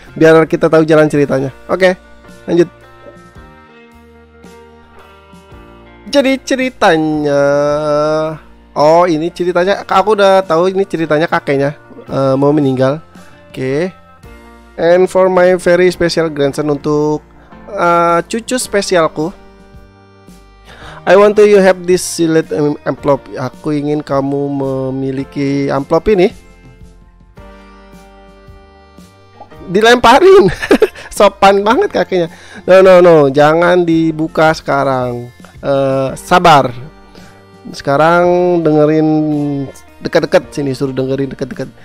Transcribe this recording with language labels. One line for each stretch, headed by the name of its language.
Indonesian: Biar kita tahu jalan ceritanya. Oke, okay, lanjut. Jadi ceritanya, oh ini ceritanya, aku udah tahu ini ceritanya kakeknya mau meninggal. Oke, okay.
English: And for my very special grandson,
Indonesian: untuk cucu spesialku,
English: I want to you have this sealed envelope.
Indonesian: Aku ingin kamu memiliki amplop ini. Dilemparin, sopan banget kakeknya. No, jangan dibuka sekarang. Sabar. Sekarang dengerin dekat-dekat sini, suruh dengerin dekat-dekat.